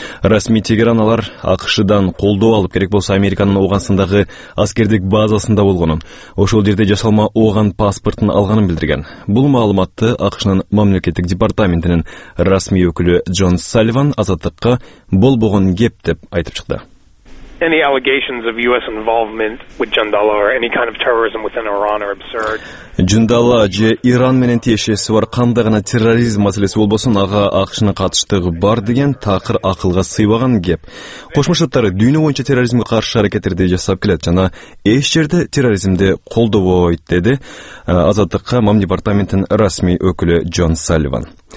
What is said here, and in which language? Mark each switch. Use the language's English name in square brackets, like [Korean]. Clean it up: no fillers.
[Kyrgyz] Расмий Тегеран алар АКШдан колдоо алып керек болсо Американын Оугансындагы аскердик базасында болгонун, ошол жерде жасалма Ооган паспортун алганын билдирген. Бул маалыматты АКШнын мамлекеттик департаментинин расмий өкүлү Джон Салливан азаттыкка болбогон кеп деп айтып чыкты. [English] Any allegations of US involvement with Jundala or any kind of terrorism within Iran are absurd. [Kyrgyz] Jundala же Иран менен тиешеси бар кандай гана терроризм маселеси болбосун ага акшына катыштыгы бар деген такыр акылга сыйбаган кеп. Кошмо Штаттар дүйнө боюнча терроризмге каршы аракеттерди жасап келет жана эч жерде терроризмди колдобойт деди Азаттыкка мам департаментинин расмий өкүлү Джон Салливан.